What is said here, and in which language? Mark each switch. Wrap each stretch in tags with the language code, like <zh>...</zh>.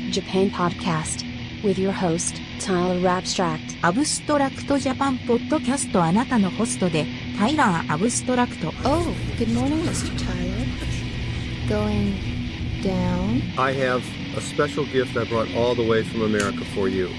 <en>The Abstract Japan Podcast with your host, Tyler Abstract.</en> <ja>アブストラクトジャパンポッドキャスト、あなたのホストで、タイラー・アブストラクト。</ja> <en>Oh, good morning, Mr. Tyler. Going down? I have a special gift I brought all the way from America for you.</en>